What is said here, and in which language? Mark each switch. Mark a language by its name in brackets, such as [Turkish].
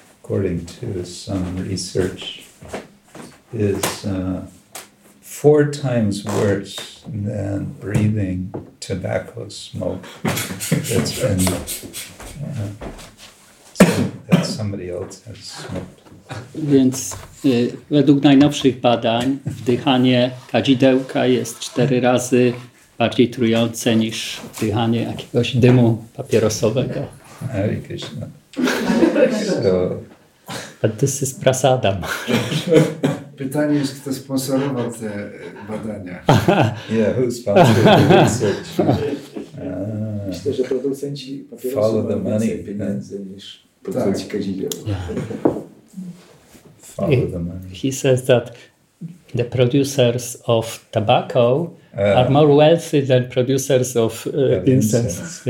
[English] according to some research, is four times worse than breathing tobacco smoke that's been that somebody else has smoked. [Polish] Więc według najnowszych badań wdychanie kadzidełka jest 4 razy bardziej trujące niż wdychanie jakiegoś dymu papierosowego. [English] Hare Krishna. But this is prasadam. [Polish] Pytanie jest, kto sponsorował te badania. [English] Yeah, who sponsored the research? [Polish] Myślę, że producenci papierosów mają więcej pieniędzy niż producenci kadzidełka. [English] Follow the money. He says that the producers of tobacco are more wealthy than producers of incense.